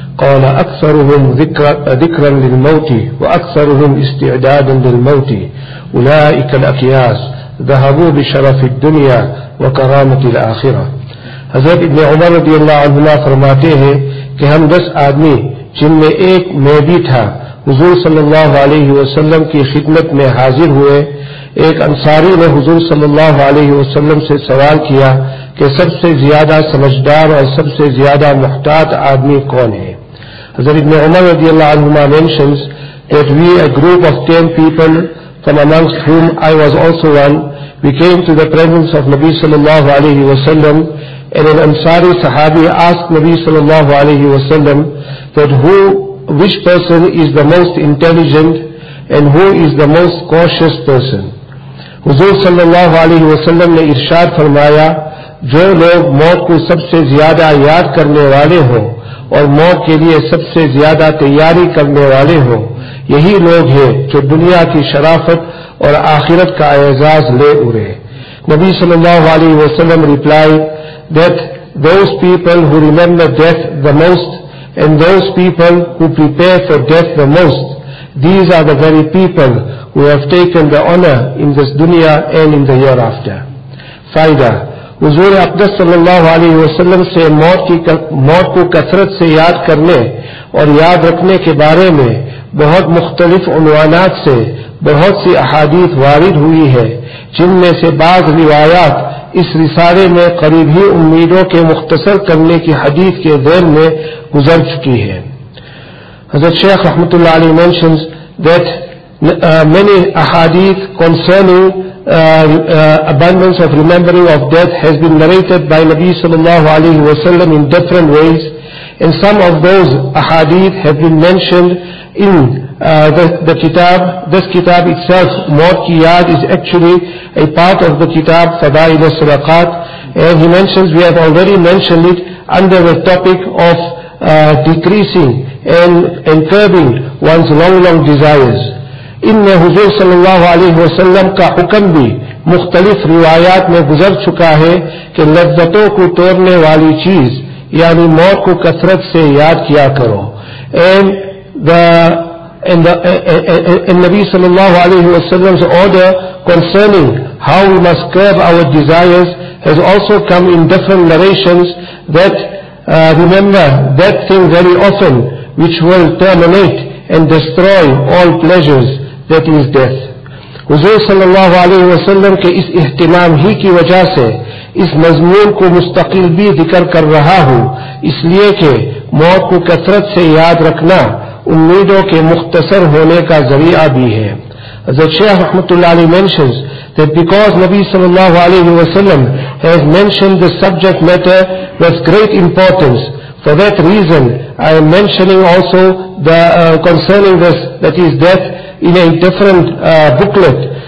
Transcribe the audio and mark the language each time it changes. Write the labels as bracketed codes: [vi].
[ar] قال أكثرهم ذكرا للموت وأكثرهم استعدادا للموت أولئك الأكياس ذهبوا بشرف الدنيا وكرامة الآخرة. [ur] حضرت ابن عمر رضي الله عنهما فرماتے ہیں کہ ہم 10 آدمی جن میں ایک میں بھی تھا حضور صلی اللہ علیہ وسلم کی خدمت میں حاضر ہوئے. ایک انصاری نے حضور صلی اللہ علیہ وسلم سے سوال کیا کہ سب سے زیادہ سمجھدار اور سب سے زیادہ محتاط آدمی کون ہے. [en] حضرت ابن عمر رضی اللہ عنہما mentions that we a group of 10 people from amongst whom I was also one, we came to the presence of Nabi صلی اللہ علیہ وسلم, and an انصاری صحابی asked Nabi صلی اللہ علیہ وسلم that which person is the most intelligent and who is the most cautious person. [ur] حضور صلی اللہ علیہ وسلم نے ارشاد فرمایا جو لوگ موت کو سب سے زیادہ یاد کرنے والے ہوں اور موت کے لیے سب سے زیادہ تیاری کرنے والے ہوں, یہی لوگ ہیں جو دنیا کی شرافت اور آخرت کا اعزاز لے اڑے. [en] نبی صلی اللہ علیہ وسلم replied that those people who remember death the most and those people who prepare for death the most, these are the very people who have taken the honor in this dunya and in the hereafter. [ur] Faida. حضور اقدس صلی اللہ علیہ وسلم سے موت کو کثرت سے یاد کرنے اور یاد رکھنے کے بارے میں بہت مختلف عنوانات سے بہت سی احادیث وارد ہوئی ہے، جن میں سے بعض روایات اس رسالے میں قریب ہی امیدوں کے مختصر کرنے کی حدیث کے ذیل میں گزر چکی ہے. [en] حضرت شیخ رحمۃ اللہ علیہ mentions that many احادیث concerning abundance of remembering of death has been narrated by Nabi sallallahu alayhi wa sallam in different ways, and some of those ahadith have been mentioned in the kitab. This kitab itself, Mawqiyat, is actually a part of the kitab Fadail al-Sadaqat, and he mentions, we have already mentioned it, under the topic of decreasing and curbing one's long desires. [ur] ان میں حضور صلی اللہ علیہ وسلم کا حکم بھی مختلف روایات میں گزر چکا ہے کہ لذتوں کو توڑنے والی چیز یعنی موت کو کثرت سے یاد کیا کرو. [en] نبی صلی اللہ علیہ وسلم's order concerning how we must curb our desires has also come in different narrations that remember that thing very often which will terminate and destroy all pleasures, that is death. [ur] حضور صلی اللہ علیہ وسلم کے اس اہتمام ہی کی وجہ سے اس مضمون کو مستقل بھی ذکر کر رہا ہوں، اس لیے کہ موت کو کثرت سے یاد رکھنا امیدوں کے مختصر ہونے کا ذریعہ بھی ہے. [en] حضرت شیخ رحمۃ اللہ علیہ mentions that because نبی صلی اللہ علیہ وسلم has mentioned the subject matter with great importance, for that reason I am mentioning also the concerning this, that is death, in a different booklet.